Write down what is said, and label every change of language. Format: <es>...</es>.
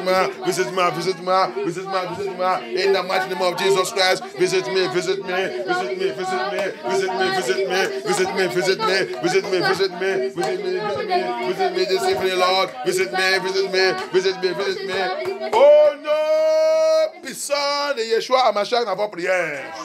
<fr>Au nom puissant de Yeshua Hamashiach, visite-moi.</fr> <en>In the mighty name of Jesus Christ, visit me this evening, Lord.</en> <fr>Au nom puissant de Yeshua Hamashiach, dans vos prières.</fr>